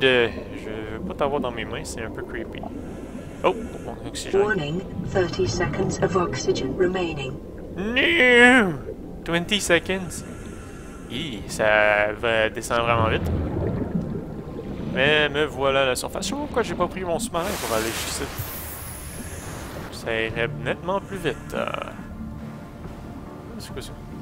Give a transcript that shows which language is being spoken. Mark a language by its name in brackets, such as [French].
[French] Je veux pas t'avoir dans mes mains, c'est un peu creepy. Oh, mon oxygène. [English] Warning, 30 seconds of oxygen remaining. No! 20 seconds. [French] Ih, ça va descendre vraiment vite. Mais me voilà à la surface. Pourquoi j'ai pas pris mon sous-marin pour aller juste ici? Ça irait nettement plus vite. C'est quoi ça?